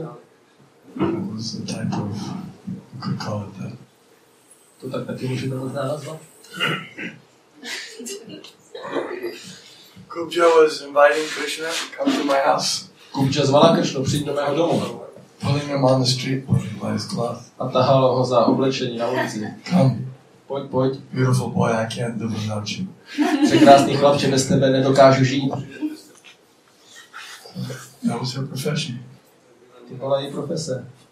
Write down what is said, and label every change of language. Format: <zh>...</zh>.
<en>It was a type of, you could call it that.</en> <cs>To tak taky můžete možná nazvat.</cs> <en>Kubja was inviting Krishna to come to my house.</en> <cs>Kubja zvala Krishna přijít do mého domu.</cs> <en>Pulling him on the street, pulling by his cloth.</en> <cs>A tahal ho za oblečení na ulici.</cs> <en>Come.</en> <cs>Pojď.</cs> <en>Beautiful boy, I can't do without you.</en> <cs>Jsi krásný chlapče, bez tebe nedokážu žít.</cs> <en>That was her profession.</en> <cs>Byla její profese.</cs>